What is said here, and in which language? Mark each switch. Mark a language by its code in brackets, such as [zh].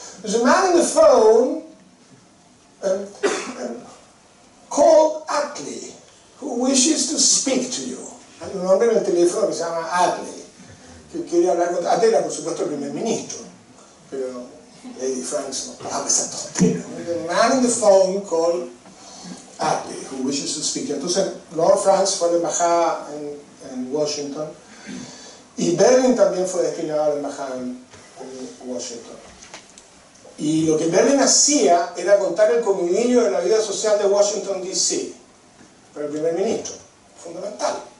[en] There's a man in the phone, called Atlee, who wishes to speak to you. [es] Hay un hombre en el teléfono que se llama Atlee, que quería hablar con... Atlee era, por supuesto, el primer ministro, pero Lady Franks no paraba esa tontería. [en] There's a man in the phone called Atlee, who wishes to speak. [es] Entonces, Lord Franks fue a la embajada en Washington, y Berlin también fue designado a la embajada en Washington. Y lo que Berlin hacía era contar el comidillo de la vida social de Washington D.C. para el primer ministro. Fundamental.